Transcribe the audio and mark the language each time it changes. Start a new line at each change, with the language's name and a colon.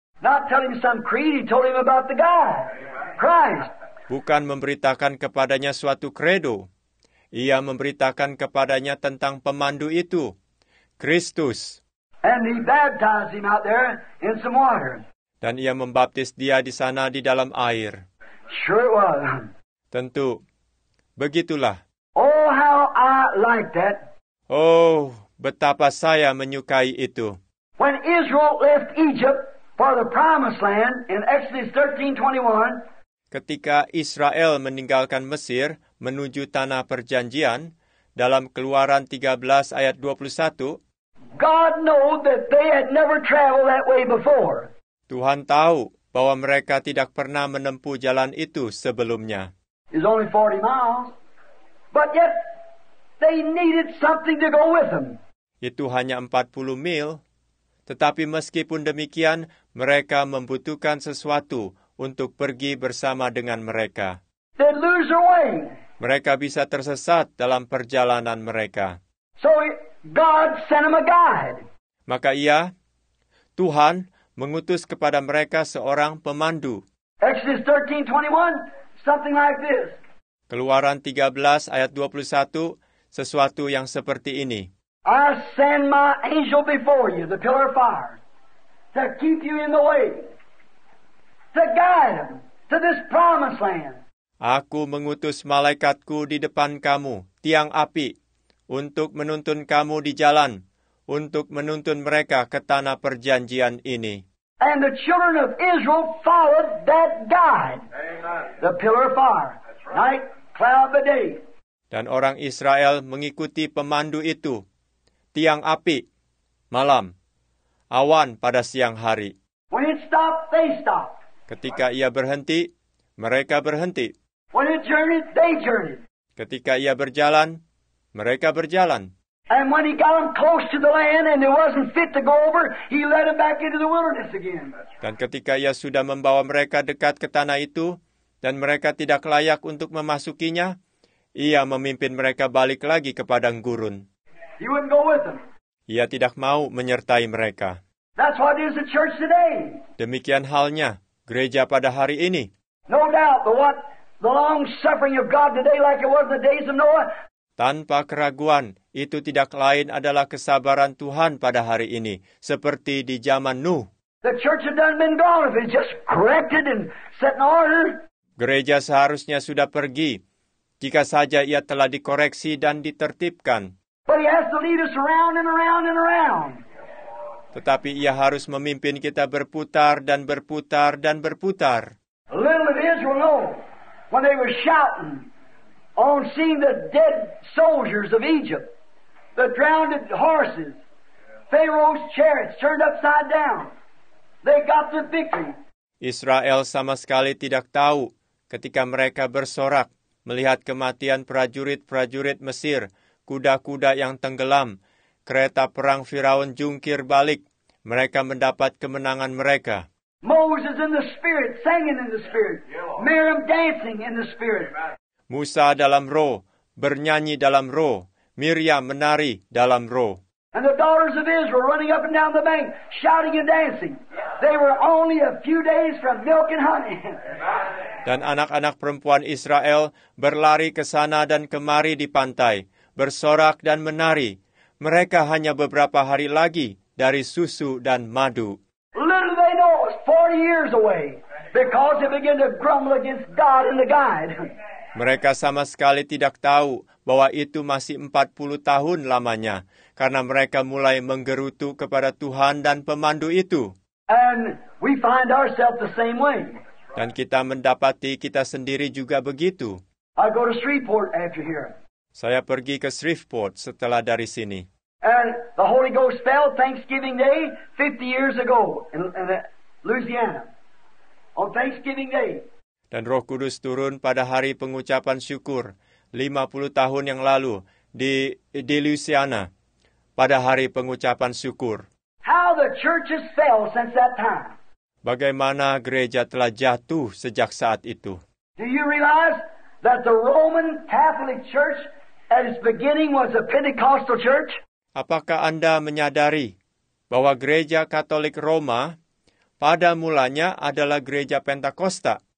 English: Not telling some creed, he told him about the God, Christ.
Indonesian: Bukan memberitakan kepadanya suatu kredo. Ia memberitakan kepadanya tentang pemandu itu, Kristus.
English: And he baptized him out there in some water.
Indonesian: Dan ia membaptis dia di sana di dalam air.
English: Sure it was.
Indonesian: Tentu. Begitulah.
English: Oh, how I like that.
Indonesian: Oh, betapa saya menyukai itu.
English: When Israel left Egypt for the promised land in Exodus 13:21.
Indonesian: Ketika Israel meninggalkan Mesir menuju tanah perjanjian dalam Keluaran 13 ayat 21.
English: God knew that they had never traveled that way before.
Indonesian: Tuhan tahu bahwa mereka tidak pernah menempuh jalan itu sebelumnya.
English: It's only 40 miles, but yet they needed something to go with them.
Indonesian: Itu hanya 40 mil, tetapi meskipun demikian, mereka membutuhkan sesuatu untuk pergi bersama dengan mereka.
English: They lose their way.
Indonesian: Mereka bisa tersesat dalam perjalanan mereka.
English: So God sent them a guide.
Indonesian: Maka ia, Tuhan, mengutus kepada mereka seorang pemandu.
English: Exodus 13:21, something like this.
Indonesian: Keluaran 13 ayat 21, sesuatu yang seperti ini.
English: I send my angel before you, the pillar of fire, to keep you in the way, to guide them to this promised land.
Indonesian: Aku mengutus malaikatku di depan kamu, tiang api, untuk menuntun kamu di jalan, untuk menuntun mereka ke tanah perjanjian ini.
English: And the children of Israel followed that guide. Amen. The pillar of fire. Right. Night, cloud by day.
Indonesian: Dan orang Israel mengikuti pemandu itu. Tiang api, malam. Awan pada siang hari.
English: When it stopped, they stopped.
Indonesian: Ketika ia berhenti, mereka berhenti.
English: When it journeyed, they journeyed.
Indonesian: Ketika ia berjalan, mereka berjalan.
English: And when he got them close to the land and it wasn't fit to go over, he led them back into the wilderness again.
Indonesian: Dan ketika ia sudah membawa mereka dekat ke tanah itu dan mereka tidak layak untuk memasukinya, ia memimpin mereka balik lagi ke padang gurun.
English: He wouldn't go with them.
Indonesian: Ia tidak mau menyertai mereka.
English: That's what is the church today.
Indonesian: Demikian halnya gereja pada hari ini.
English: No doubt, but what the long suffering of God today like it was the days of Noah.
Indonesian: Tanpa keraguan, itu tidak lain adalah kesabaran Tuhan pada hari ini, seperti di zaman Nuh.
English: The church had done been gone if it just corrected and set in order.
Indonesian: Gereja seharusnya sudah pergi, jika saja ia telah dikoreksi dan ditertibkan.
English: But he has to lead us around and around and around.
Indonesian: Tetapi ia harus memimpin kita berputar dan berputar dan berputar.
English: Little of Israel know when they were shouting on seeing the dead soldiers of Egypt, the drowned horses, Pharaoh's chariots turned upside down. They got the victory.
Indonesian: Israel sama sekali tidak tahu ketika mereka bersorak melihat kematian prajurit-prajurit Mesir, kuda-kuda yang tenggelam, kereta perang Firaun jungkir balik. Mereka mendapat kemenangan mereka.
English: Moses in the spirit, singing in the spirit. Miriam dancing in the spirit.
Indonesian: Musa dalam roh, bernyanyi dalam roh. Miriam menari dalam roh.
English: And the daughters of Israel running up and down the bank, shouting and dancing. They were only a few days from milk and honey.
Indonesian: Dan anak-anak perempuan Israel berlari ke sana dan kemari di pantai, bersorak dan menari. Mereka hanya beberapa hari lagi dari susu dan madu.
English: Little they know it was 40 years away because they began to grumble against God and the guide.
Indonesian: Mereka sama sekali tidak tahu bahwa itu masih 40 tahun lamanya karena mereka mulai menggerutu kepada Tuhan dan pemandu itu.
English: And we find ourselves the same way.
Indonesian: Dan kita mendapati kita sendiri juga begitu.
English: I go to Shreveport after here.
Indonesian: Saya pergi ke Shreveport setelah dari sini.
English: And the Holy Ghost fell Thanksgiving Day 50 years ago in Louisiana. On Thanksgiving Day.
Indonesian: Dan Roh Kudus turun pada hari pengucapan syukur 50 tahun yang lalu di Louisiana pada hari pengucapan syukur.
English: How the churches fell since that time.
Indonesian: Bagaimana gereja telah jatuh sejak saat itu?
English: Do you realize that the Roman Catholic Church at its beginning was a Pentecostal church?
Indonesian: Apakah Anda menyadari bahwa gereja Katolik Roma pada mulanya adalah gereja Pentakosta?